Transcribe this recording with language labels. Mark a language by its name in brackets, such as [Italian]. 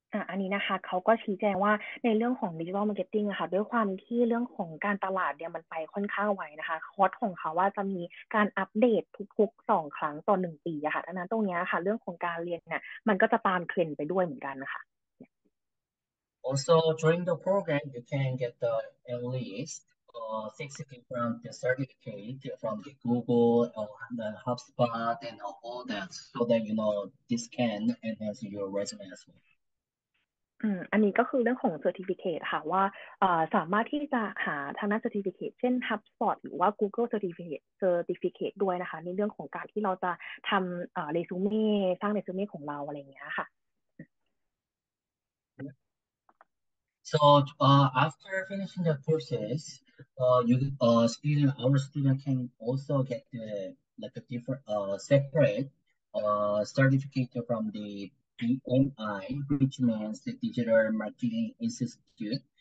[Thai] อันนี้นะคะเขาก็ชี้แจงว่าในเรื่องของดิจิทัลมาร์เก็ตติ้งอะค่ะด้วยความที่เรื่องของการตลาดเนี่ยมันไปค่อนข้างไวนะคะคอร์สของเขาว่าจะมีการอัปเดตทุกๆ2ครั้งต่อ1ปีอะค่ะดังนั้นตรงนี้ค่ะเรื่องของการเรียนเนี่ยมันก็จะตามเทรนด์ไปด้วยเหมือนกันนะคะ [English] Also during the program you can get at least 60 from the certificate from the Google or the HubSpot and all that, so that you know this can enhance your resume as well. [Thai] อันนี้ก็คือเรื่องของเซอร์ติฟิเคทค่ะว่าสามารถที่จะหาทางด้านเซอร์ติฟิเคทเช่น HubSpot หรือว่า Google Certificate ด้วยนะคะในเรื่องของการที่เราจะทำเรซูเม่สร้างเรซูเม่ของเราอะไรอย่างเงี้ยค่ะ [English] So after finishing the courses, our student can also get the like a different separate certificate from the DMI, which means the Digital Marketing Institute.